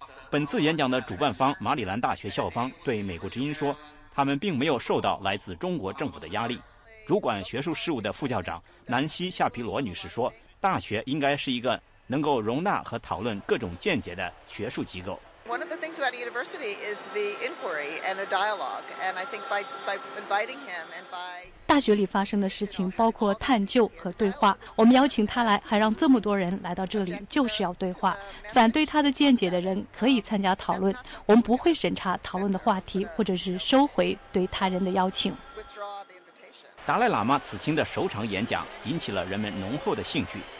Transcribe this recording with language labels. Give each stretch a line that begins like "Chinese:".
Chinese: 本次演讲的主办方马里兰大学校方对美国之音说，他们并没有受到来自中国政府的压力。主管学术事务的副校长南希·夏皮罗女士说，大学应该是一个能够容纳和讨论各种见解的学术机构。
English: One of the things about a university is the inquiry and the dialogue, and I think by inviting him and by
Chinese: 大学里发生的事情包括探究和对话。我们邀请他来，还让这么多人来到这里，就是要对话。反对他的见解的人可以参加讨论，我们不会审查讨论的话题，或者是收回对他人的邀请。达赖喇嘛此行的首场演讲引起了人们浓厚的兴趣。